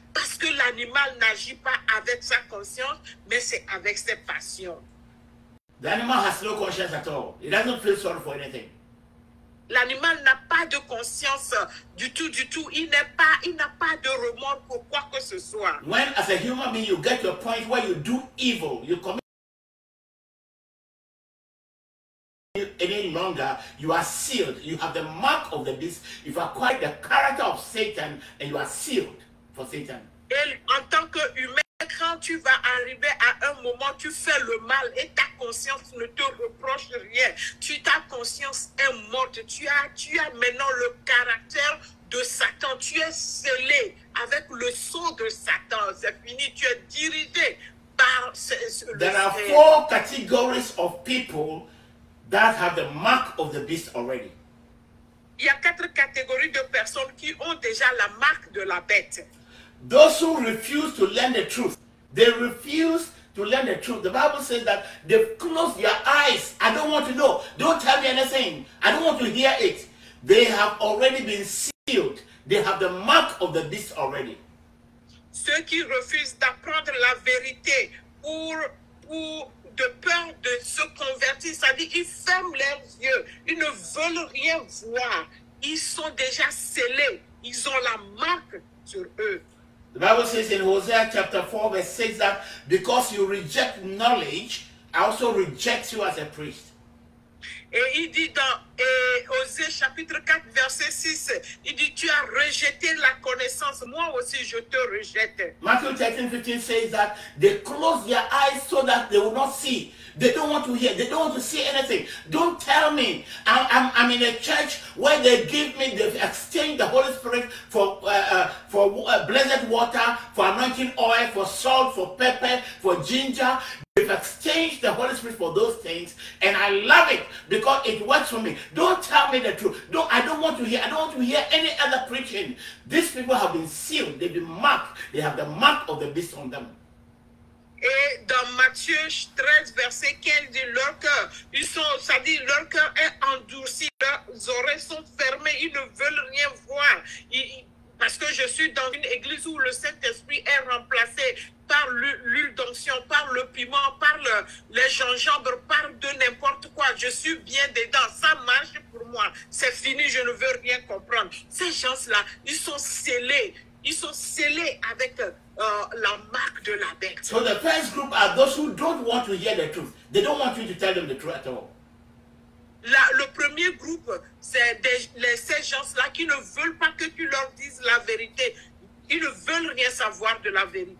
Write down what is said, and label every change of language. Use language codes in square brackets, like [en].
[fr] Parce que l'animal n'agit pas avec sa conscience, mais c'est avec ses passions. L'animal n'a pas de conscience [en] at all. [fr] Il n'a pas de [en] sorry for anything. [fr] L'animal n'a pas de conscience du tout, du tout. Il n'est pas, il n'a pas de remords pour quoi que ce soit. [en] When as a human being you get your point where you do evil, you commit any longer, you are sealed. You have the mark of the beast. You've acquired the character of Satan and you are sealed for Satan. [fr] Et en tant que humain, quand tu vas arriver à un moment, tu fais le mal et ta conscience ne te reproche rien. Ta conscience est morte. Tu as maintenant le caractère de Satan. Tu es scellé avec le sceau de Satan. C'est fini. Tu es dirigé par [en] There are four categories of people that have the mark of the beast already. [fr] Il y a quatre catégories de personnes qui ont déjà la marque de la bête. [en] Those who refuse to learn the truth, they refuse to learn the truth. The Bible says that they've closed their eyes. I don't want to know. Don't tell me anything. I don't want to hear it. They have already been sealed. They have the mark of the beast already. [fr] Ceux qui refusent d'apprendre la vérité pour de peur de se convertir, c'est-à-dire qu'ils ferment leurs yeux. Ils ne veulent rien voir. Ils sont déjà scellés. Ils ont la marque sur eux. [en] The Bible says in Hosea chapter 4 verse 6 that because you reject knowledge, I also reject you as a priest. [fr] Et il dit dans Hosea chapitre 4 verset 6, il dit tu as rejeté la connaissance, moi aussi je te rejette. [en] Matthew 13:15 says that they close their eyes so that they will not see. They don't want to hear. They don't want to see anything. Don't tell me. I'm in a church where they give me, they exchange the Holy Spirit for blessed water, for anointing oil, for salt, for pepper, for ginger. They've exchanged the Holy Spirit for those things, and I love it because it works for me. Don't tell me the truth. I don't want to hear any other preaching. These people have been sealed. They've been marked. They have the mark of the beast on them. [fr] Et dans Matthieu 13, verset 15, il dit leur cœur, c'est-à-dire leur cœur est endurci, leurs oreilles sont fermées, ils ne veulent rien voir. Parce que je suis dans une église où le Saint-Esprit est remplacé par l'huile d'onction, par le piment, par le gingembre, par de n'importe quoi. Je suis bien dedans, ça marche pour moi, c'est fini, je ne veux rien comprendre. Ces gens-là, ils sont scellés avec la marque de la bête. [en] So the first group are those who don't want to hear the truth. They don't want you to tell them the truth at all. [fr] Le premier groupe, c'est ces gens-là qui ne veulent pas que tu leur dises la vérité. Ils ne veulent rien savoir de la vérité.